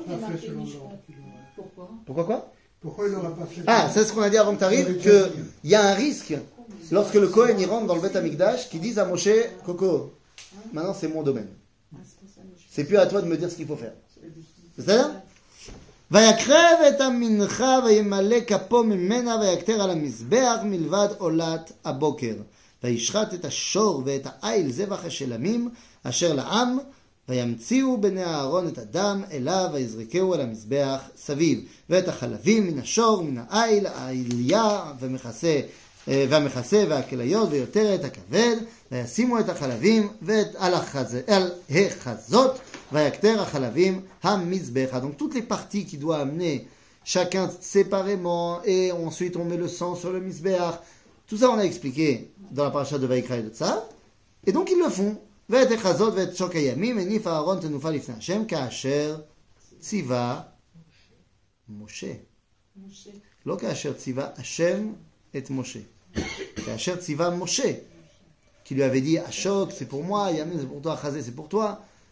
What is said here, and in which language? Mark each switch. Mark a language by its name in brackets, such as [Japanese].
[French] il a fait selon l'ordre qu'il aurait reçu ? Pourquoi quoi ? Pourquoi il n'aura pas fait... Ah, c'est ce qu'on a dit avant que tu arrives, qu'il y a un risque lorsque le Cohen y rentre dans le Beth Amikdash qui dise à Moshe, Coco, maintenant c'est mon domaine. C'est plus à toi de me dire ce qu'il faut faire. C'est ça ? [Hebrew] ויקרב את המנחה וימלא כפו ממנה ויקטר על המזבח מלבד עולת הבוקר וישחט את השור ואת העיל זבח השלמים אשר לעם וימציאו בני אהרון את הדם אליו ויזרקהו על המזבח סביב ואת החלבים מן השור מן העיל העיליה והמכסה והכליות ויותר את הכבד וישימו את החלבים ואת על החזות [French] Donc toutes les parties qu'il doit amener, chacun séparément, et ensuite on met le sang sur le misbéach. Tout ça on a expliqué dans la parasha de Vayikra et de Tzav. Et donc ils le font. Et donc Moshe, qui lui avait dit, Ashok, c'est pour moi, Yamin, c'est pour toi, Chazé, c'est pour toi.